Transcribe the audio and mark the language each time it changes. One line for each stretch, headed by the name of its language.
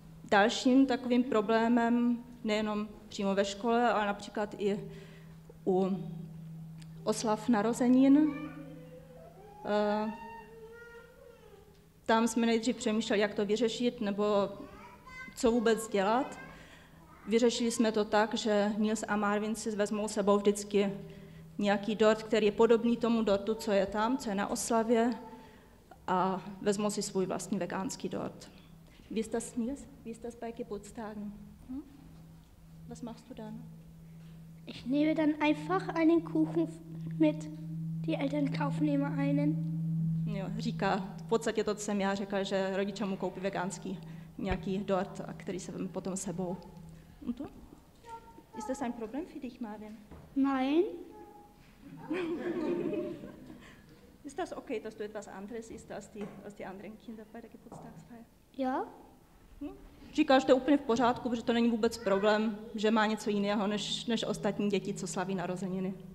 Czech: Dalším takovým problémem, nejenom přímo ve škole, ale například i u oslav narozenin, tam jsme nejdřív přemýšleli, jak to vyřešit, nebo co vůbec dělat. Vyřešili jsme to tak, že Nils a Marvin si vezmou sebou vždycky nějaký dort, který je podobný tomu dortu, co je tam, co je na oslavě, a vezmou si svůj vlastní vegánský dort.
German: Wie ist das, Nils? Wie ist das bei Geburtstagen? Was machst du dann? Ich nehme dann einfach einen Kuchen mit. Die Eltern kaufen immer einen.
Czech: Jo, říká, v podstatě to, co jsem já řekla, že rodiče mu koupí vegánský nějaký dort, který se vezme potom sebou.
German: Und du? Ist das ein Problem für dich, Marvin? Nein. Ist das okay, dass du etwas anderes isst als die anderen Kinder bei der Geburtstagsfeier? Ja.
Czech: Říká, že to je úplně v pořádku, protože to není vůbec problém, že má něco jiného než ostatní děti, co slaví narozeniny.